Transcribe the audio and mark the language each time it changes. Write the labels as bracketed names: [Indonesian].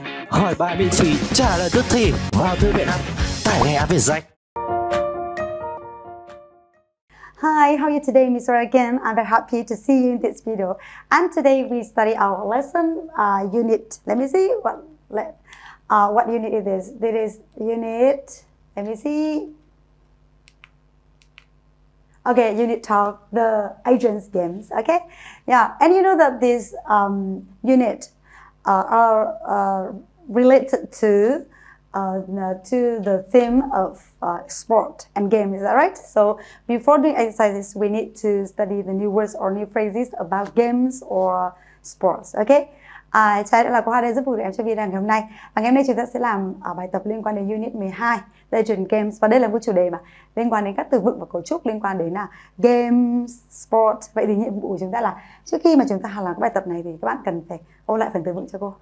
[Vietnamese] Hỏi bài miễn phí, trả lời tức thì vào thư viện app, tải ngay áp về danh. [English] Hi, how are you today, Miss Roy again? I'm very happy to see you in this video. And today we study our lesson unit. Let me see what unit it is. This is unit. Let me see. Okay, unit 12, the agent's games. Okay, yeah. And you know that this unit are related to the theme of sport and game, is that right? So before doing exercises, we need to study the new words or new phrases about games or sports, okay? [Vietnamese] Chào đây là cô Hoa đây, giúp phụ em cho video ngày hôm nay. Và ngày hôm nay chúng ta sẽ làm bài tập liên quan đến Unit 12, Legend Games. Và đây là một chủ đề mà liên quan đến các từ vựng và cấu trúc liên quan đến games, sport. Vậy thì nhiệm vụ của chúng ta là trước khi mà chúng ta làm bài tập này thì các bạn cần phải ôn lại phần từ vựng cho cô.